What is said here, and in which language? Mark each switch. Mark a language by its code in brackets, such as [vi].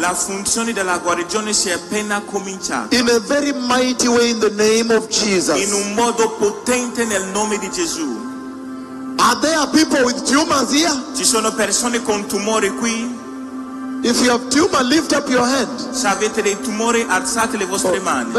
[it] La funzione della guarigione si è appena cominciata. [en] In a very mighty way, in the name of Jesus. [it] In un modo potente nel nome di Gesù. [en] Are there people with tumors here? [it] Ci sono persone con tumori qui? [en] If you have tumor, lift up your hand. [it] Se avete dei tumori, alzate le vostre mani.